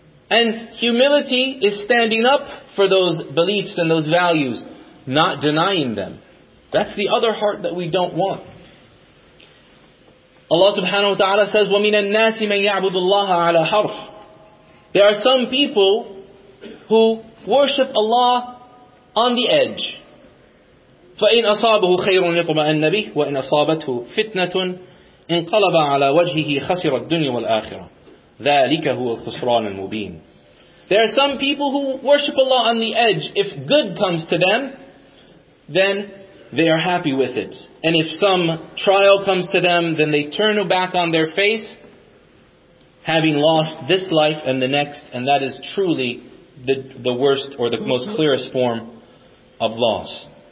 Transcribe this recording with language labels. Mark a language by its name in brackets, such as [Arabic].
[English] And humility is standing up for those beliefs and those values, not denying them. That's the other heart that we don't want. Allah subhanahu wa ta'ala says, [Arabic] وَمِنَ النَّاسِ مَنْ يَعْبُدُ اللَّهَ عَلَى حَرْفٍ. [English] There are some people who worship Allah on the edge. [Arabic] فإن أصابه خير يطمئن به وإن أصابته فتنة انقلب على وجهه خسر الدنيا والآخرة ذلك هو الخسران المبين. [English] There are some people who worship Allah on the edge. If good comes to them, then they are happy with it. And if some trial comes to them, then they turn back on their face, having lost this life and the next, and that is truly the worst or the most clearest form of loss.